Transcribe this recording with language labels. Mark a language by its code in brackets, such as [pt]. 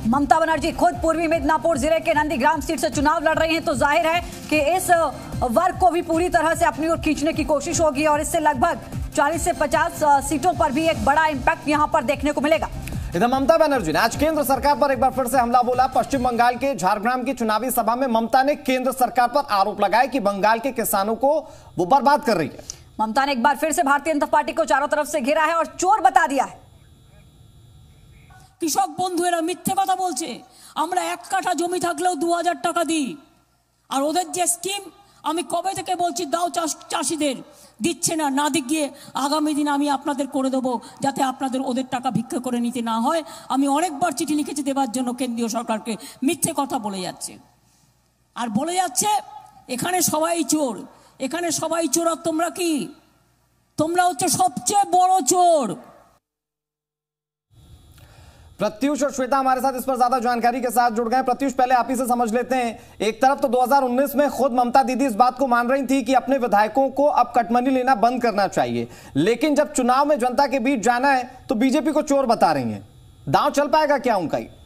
[hi] ममता बनर्जी खुद पूर्वी मिदनापुर जिले के नंदीग्राम सीट से चुनाव लड़ रही हैं, तो जाहिर है कि इस वर्ग को भी पूरी तरह से अपनी ओर खींचने की कोशिश होगी और इससे लगभग 40 से 50 सीटों पर भी एक बड़ा इंपैक्ट यहां पर देखने को मिलेगा। इधर ममता बनर्जी ने आज केंद्र सरकार पर एक बार फिर से हमला बोला। पश्चिम बंगाल के झारग्राम की चुनावी सभा में ममता ने केंद्र सरकार पर आरोप लगाया कि बंगाल के किसानों को वो बर्बाद कर रही है। ममता ने एक बार फिर से भारतीय जनता पार्टी को चारों तरफ से घेरा है और चोर बता दिया है। [bn] কৃষক বন্ধুরা মিথ্যে কথা বলছে, আমরা এক কাঠা জমি থাকলেও 2000 টাকা দিই, আর ওদের যে স্কিম আমি কবে থেকে বলছি দাও চাষীদের, দিচ্ছে না, না দিয়ে আগামী দিন আমি আপনাদের করে দেবো, যাতে আপনাদের ওদের টাকা ভিক্ষা করে নিতে না হয়। আমি অনেকবার চিঠি লিখেছি দেবার জন্য কেন্দ্রীয় সরকারকে, মিথ্যে কথা বলে যাচ্ছে, আর বলে যাচ্ছে এখানে সবাই চোর, এখানে সবাই চোর। আর তোমরা কি, তোমরা হচ্ছে সবচেয়ে বড় চোর। [hi] प्रत्युष और श्वेता हमारे साथ इस पर ज्यादा जानकारी के साथ जुड़ गए। प्रत्युष, पहले आप ही से समझ लेते हैं, एक तरफ तो 2019 में खुद ममता दीदी इस बात को मान रही थी कि अपने विधायकों को अब कटमनी लेना बंद करना चाहिए, लेकिन जब चुनाव में जनता के बीच जाना है तो बीजेपी को चोर बता रही है, दांव चल पाएगा क्या उनका?